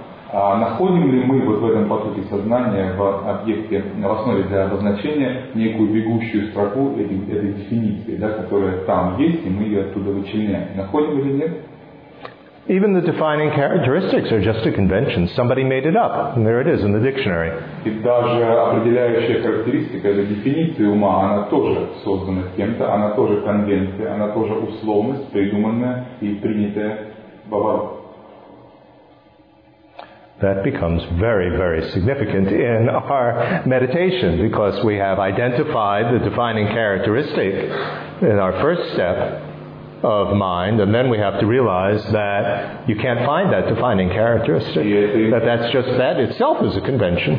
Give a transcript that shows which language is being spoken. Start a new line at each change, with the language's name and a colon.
Russian: Находим ли мы вот в этом потоке сознания, в объекте, в основе для обозначения некую бегущую строку этой дефиниции, да, которая там есть, и мы ее оттуда вычленяем? Находим или нет?
English: Even the defining characteristics are just a convention. Somebody made it up, and there it is in the dictionary.
Russian: И даже определяющая характеристика, это дефиниция ума, она тоже создана кем-то, она тоже конвенция, она тоже условность, придуманная и принятая в оборот.
English: That becomes very, very significant in our meditation because we have identified the defining characteristic in our first step of mind, and then we have to realize that you can't find that defining characteristic, that that's just that itself is a convention.